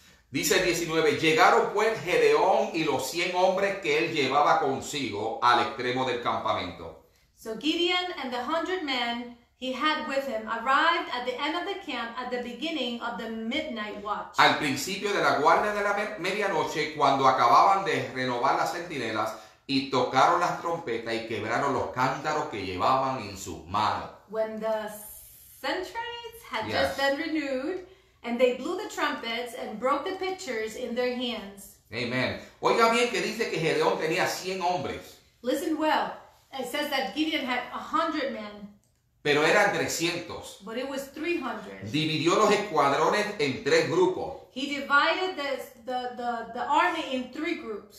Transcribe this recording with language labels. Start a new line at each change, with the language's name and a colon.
Spanish: Dice el 19, llegaron pues Gedeón y los 100 hombres que él llevaba consigo al extremo del campamento.
English: So Gideon and the 100 men he had with him arrived at the end of the camp at the beginning of the midnight watch.
Spanish: Al principio de la guardia de la medianoche, cuando acababan de renovar las centinelas y tocaron las trompetas y quebraron los cántaros que llevaban en sus manos.
English: When the sentries had yes. just been renewed and they blew the trumpets and broke the pitchers in their hands. Amen.
Spanish: Oiga bien que dice que Gedeón tenía 100 hombres.
English: Listen well. It says that Gideon had 100 men.
Spanish: Pero eran 300.
English: But it was 300.
Spanish: Dividió los escuadrones en tres grupos.
English: He divided the army in three groups.